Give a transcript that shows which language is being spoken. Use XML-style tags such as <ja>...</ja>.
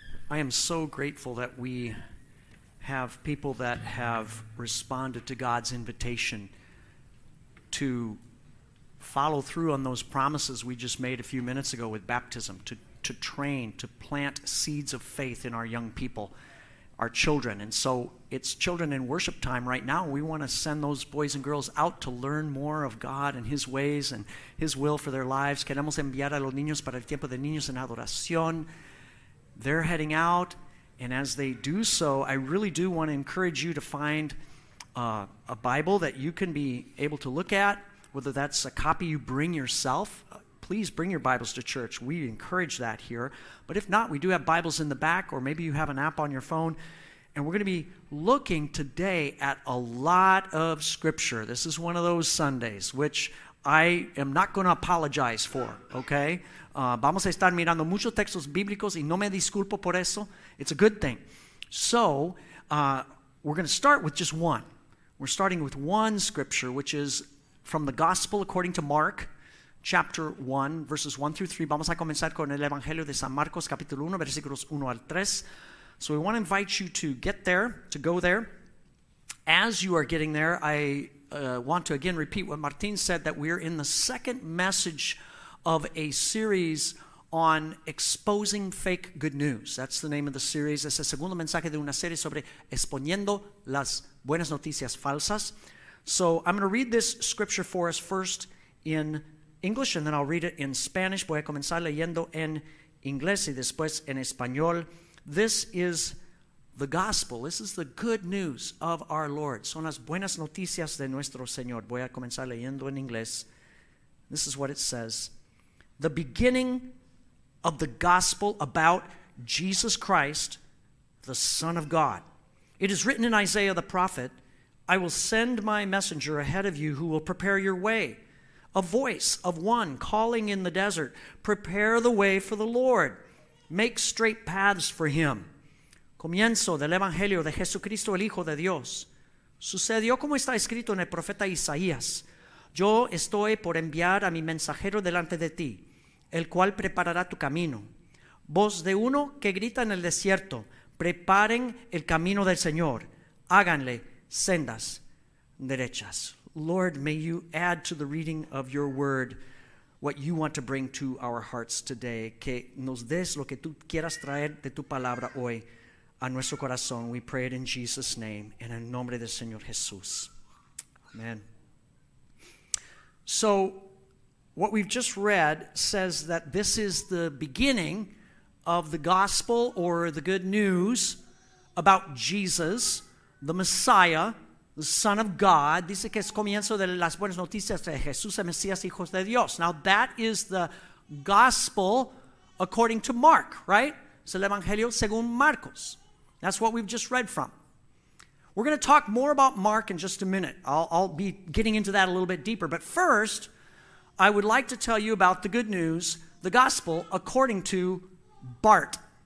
<en>I am so grateful that we have people that have responded to God's invitation to follow through on those promises we just made a few minutes ago with baptism, to train, to plant seeds of faith in our young people, our children. And so it's children in worship time right now. We want to send those boys and girls out to learn more of God and His ways and His will for their lives.</en> <es>Queremos enviar a los niños para el tiempo de niños en adoración.</es> <en>They're heading out, and as they do so, I really do want to encourage you to find a Bible that you can be able to look at, whether that's a copy you bring yourself. Please bring your Bibles to church. We encourage that here. But if not, we do have Bibles in the back, or maybe you have an app on your phone. And we're going to be looking today at a lot of Scripture. This is one of those Sundays, which I am not going to apologize for, okay?</en> <es>Vamos a estar mirando muchos textos bíblicos y no me disculpo por eso.</es> <en>It's a good thing. So we're going to start with just one. We're starting with one Scripture, which is from the Gospel according to Mark, chapter 1, verses 1 through 3.</en> <es>Vamos a comenzar con el Evangelio de San Marcos, capítulo 1, versículos 1 al 3.</es> <en>So we want to invite you to get there, to go there. As you are getting there, I want to again repeat what Martin said, that we're in the second message of a series on exposing fake good news. That's the name of the series.</en> <es>Es el segundo mensaje de una serie sobre exponiendo las buenas noticias falsas.</es> <en>So I'm going to read this scripture for us first in English, and then I'll read it in Spanish.</en> <es>Voy a comenzar leyendo en inglés y después en español.</es> <en>This is the gospel. This is the good news of our Lord. Son las buenas noticias de nuestro Señor.</en> <es>Voy a comenzar leyendo en inglés. This is what it says.</es> <en>The beginning of the gospel about Jesus Christ, the Son of God. It is written in Isaiah the prophet, I will send my messenger ahead of you who will prepare your way. A voice of one calling in the desert, prepare the way for the Lord. Make straight paths for him.</en> <es>Comienzo del Evangelio de Jesucristo, el Hijo de Dios. Sucedió como está escrito en el profeta Isaías. Yo estoy por enviar a mi mensajero delante de ti, el cual preparará tu camino. Voz de uno que grita en el desierto, preparen el camino del Señor. Háganle sendas derechas.</es> <en>Lord, may you add to the reading of your word what you want to bring to our hearts today.</en> <es>Que nos des lo que tú quieras traer de tu palabra hoy a nuestro corazón.</es> <en>We pray it in Jesus' name, en el nombre del Señor Jesús. Amen. So, what we've just read says that this is the beginning of the gospel or the good news about Jesus, the Messiah, the Son of God.</en> <es>Dice que es comienzo de las buenas noticias de Jesús, el Mesías, hijos de Dios.</es> <en>Now, that is the gospel according to Mark, right? Es el Evangelio según Marcos. That's what we've just read from. We're going to talk more about Mark in just a minute. I'll be getting into that a little bit deeper. But first, I would like to tell you about the good news, the gospel according to Bart.</en>